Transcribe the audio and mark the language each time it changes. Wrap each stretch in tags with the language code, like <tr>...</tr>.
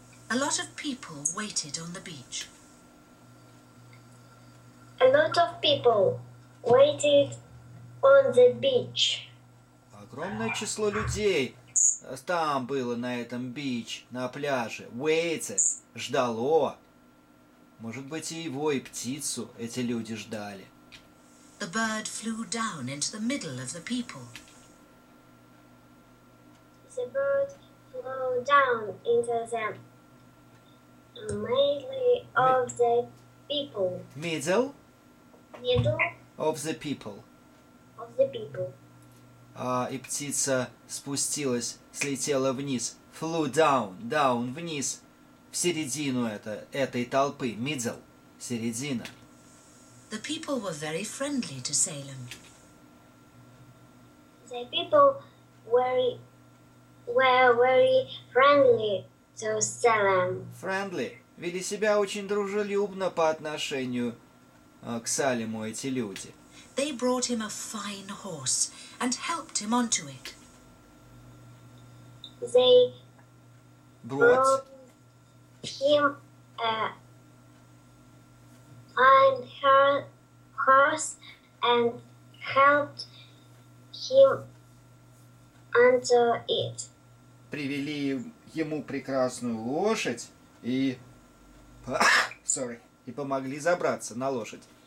<en>A lot of people waited on the beach. A lot of people waited on the beach.</en> <ru>Огромное число людей там было на этом beach, на пляже. Waited, ждало. Может быть, и его, и птицу эти люди ждали.</ru> <en>The bird flew down into the middle of the people. The bird flew down into the middle of the people. Middle? Middle of the people. Of the people.</en> <ru>И птица спустилась, слетела вниз.</ru> <en>Flew down, down,</en> <ru>вниз. В середину этой толпы. Middle. Середина.</ru> <en>The people were very friendly to Salem. The people were very friendly to Salem. Friendly.</en> <ru>Вели себя очень дружелюбно по отношению к Салему эти люди.</ru> <en>They brought him a fine horse and helped him onto it. They brought him a fine horse and helped him onto it.</en> <ru>Привели ему прекрасную лошадь и... Sorry. и помогли забраться на лошадь.</ru>